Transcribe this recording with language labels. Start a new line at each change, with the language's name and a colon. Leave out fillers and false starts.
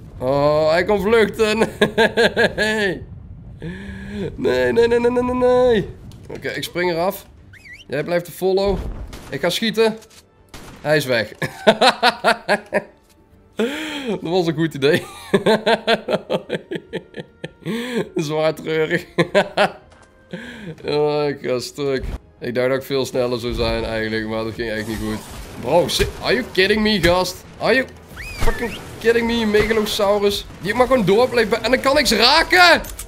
Dutch: Oh, hij kon vluchten. Nee, nee, nee, nee, nee, nee, nee. Oké, ik spring eraf. Jij blijft te follow. Ik ga schieten. Hij is weg. Dat was een goed idee. Zwaar treurig. Oh, ik ga stuk. Ik dacht dat ik veel sneller zou zijn eigenlijk, maar dat ging echt niet goed.
English: Bro, are you kidding me, gast? Are you fucking kidding me, megalosaurus?
Dutch: Die mag gewoon doorblijven en dan kan ik ze raken!